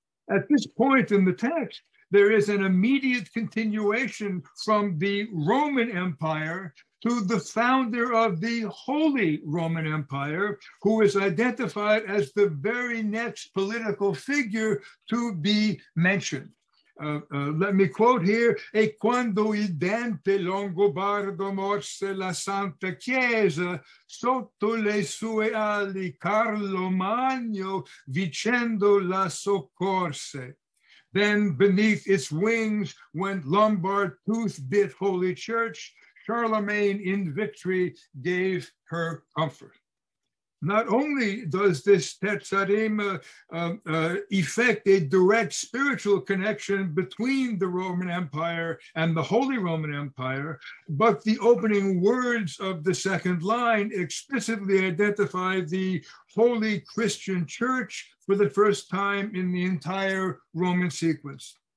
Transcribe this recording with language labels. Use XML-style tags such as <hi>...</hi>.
<en>At this point in the text, there is an immediate continuation from the Roman Empire to the founder of the Holy Roman Empire, who is identified as the very next political figure to be mentioned. Let me quote here,</en> <it>"E quando il dente longobardo morse la Santa Chiesa, sotto le sue ali Carlo Magno vicendo la soccorse."</it> <en>Then beneath its wings, when Lombard tooth bit Holy Church, Charlemagne in victory gave her comfort. Not only does this terzarema effect a direct spiritual connection between the Roman Empire and the Holy Roman Empire, but the opening words of the second line explicitly identify the Holy Christian Church for the first time in the entire Roman sequence.</en>